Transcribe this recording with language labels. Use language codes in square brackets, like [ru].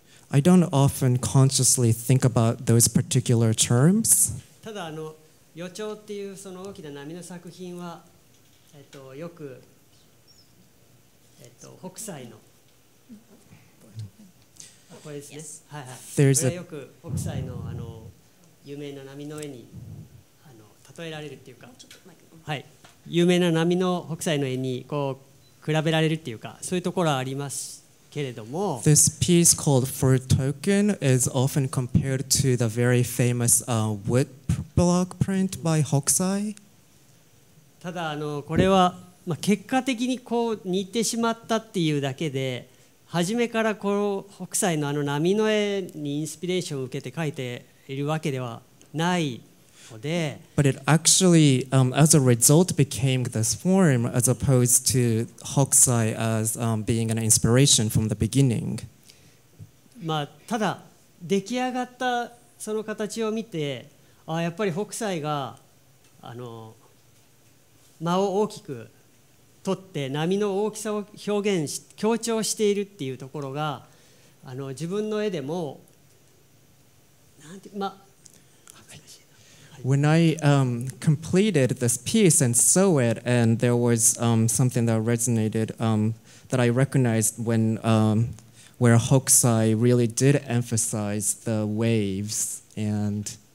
[en] I don't often consciously think about those particular terms. [ja] ただ予兆っていうその大きな波の作品は、よく、北斎の。これですね。 [en] Yes. [ja] はいはい。これはよく北斎の有名な波の絵に例えられるっていうか、はい、有名な波の北斎の絵にこう比べられるっていうか、そういうところはありますけれども。 [en] This piece called For Token is often compared to the very famous wood block print by 北斎。 [ja] ただこれは、まあ、結果的にこう似てしまったっていうだけで。初めからこの北斎のあの波の絵にインスピレーションを受けて描いているわけではないので、 [en] But it actually, as a result, became this form as opposed to Hokusai as being an inspiration from the beginning. [ja] まあただ出来上がったその形を見て、あやっぱり北斎が間を大きく取って波の大きさを表現し強調しているっていうところが自分の絵でもなんて、ま、 [en] When I completed this piece and saw it and there was something that resonated that I recognized when where Hokusai really did emphasize the waves and